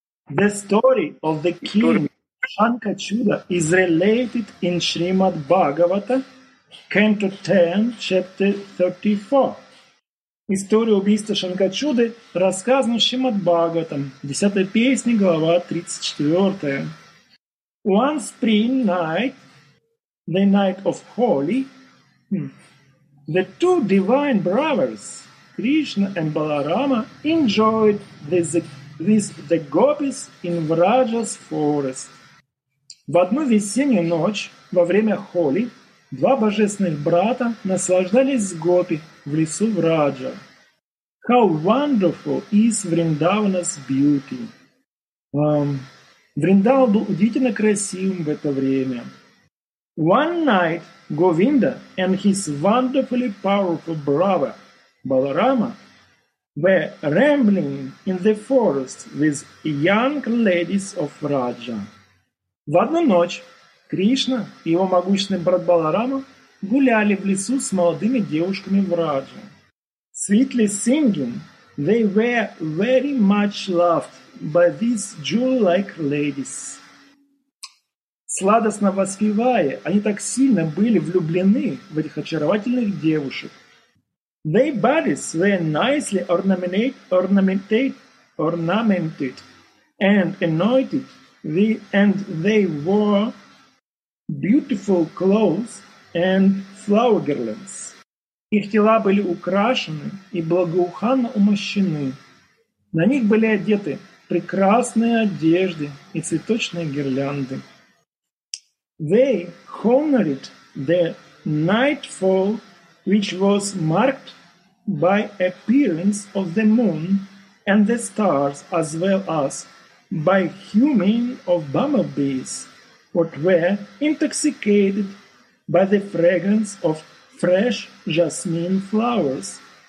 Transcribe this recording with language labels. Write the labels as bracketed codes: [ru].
[en] The story of the king Шанкачуда is related in Шримад Бхагавата, Canto 10, Chapter 34. [ru] История убийства Шанкачуды рассказана Шримад Бхагаватам. Десятая песня, глава 34. [en] One spring night, the night of Holi, the two divine brothers, Krishna and Balarama, enjoyed the gopis in Vraja's forest. [ru] В одну весеннюю ночь, во время Холи, два божественных брата наслаждались гопи в лесу Враджа. [en] How wonderful is Vrindavana's beauty. [ru] Vrindavan был удивительно красивым в это время. [en] One night, Govinda and his wonderfully powerful brother, Balarama, were rambling in the forest with young ladies of Raja. [ru] В одну ночь Кришна и его могущественный брат Баларама гуляли в лесу с молодыми девушками в Раджа. [en] Sweetly singing, they were very much loved by these jewel-like ladies. [ru] Сладостно воспевая, они так сильно были влюблены в этих очаровательных девушек. [en] Their bodies were nicely ornamented and anointed, and they wore beautiful clothes and flower garlands. [ru] Их тела были украшены и благоуханно умощены. На них были одеты прекрасные одежды и цветочные гирлянды. [en] They honored the nightfall, which was marked by appearance of the moon and the stars, as well as by humming of bumblebees, what were intoxicated by the fragrance of fresh jasmine flowers,